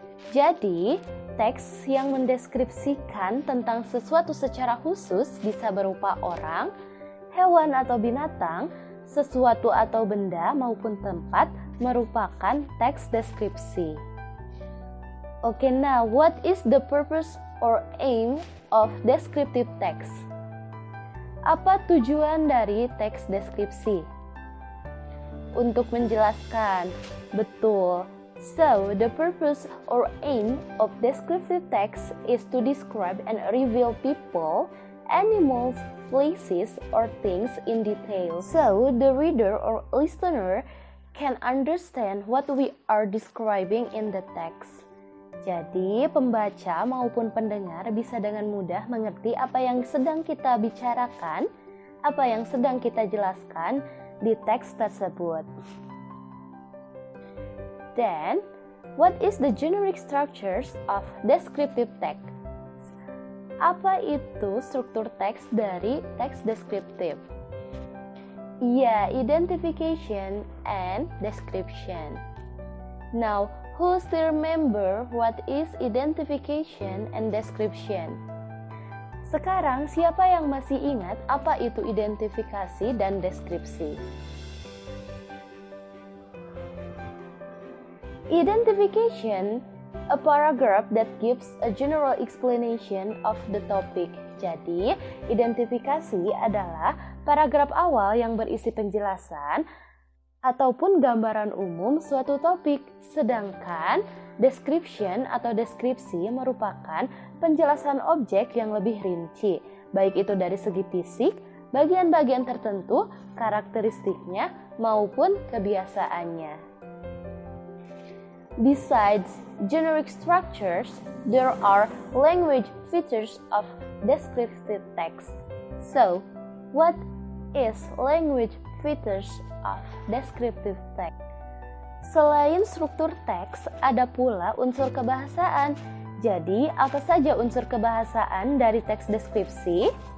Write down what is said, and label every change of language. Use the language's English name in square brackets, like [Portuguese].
[Indonesian] Jadi, teks yang mendeskripsikan tentang sesuatu secara khusus bisa berupa orang, hewan atau binatang, sesuatu atau benda maupun tempat merupakan teks deskripsi. [English] Okay, now, what is the purpose or aim of descriptive text? [Indonesian] Apa tujuan dari teks deskripsi? Untuk menjelaskan, betul. [English] So, the purpose or aim of descriptive text is to describe and reveal people, animals, places, or things in detail. So, the reader or listener can understand what we are describing in the text. [Indonesian] Jadi, pembaca maupun pendengar bisa dengan mudah mengerti apa yang sedang kita bicarakan, apa yang sedang kita jelaskan di teks tersebut. [English] Then, what is the generic structures of descriptive text? [Indonesian] Apa itu struktur teks dari teks deskriptif? [English] Yeah, identification and description. Now, who still remember what is identification and description? [Indonesian] Sekarang, siapa yang masih ingat apa itu identifikasi dan deskripsi? [English] Identification, a paragraph that gives a general explanation of the topic. [Indonesian] Jadi, identifikasi adalah paragraf awal yang berisi penjelasan ataupun gambaran umum suatu topik. Sedangkan, description atau deskripsi merupakan penjelasan objek yang lebih rinci, baik itu dari segi fisik, bagian-bagian tertentu, karakteristiknya, maupun kebiasaannya. [English] Besides generic structures, there are language features of descriptive text. So, what is language features of descriptive text? [Indonesian] Selain struktur teks, ada pula unsur kebahasaan. Jadi, apa saja unsur kebahasaan dari teks deskripsi?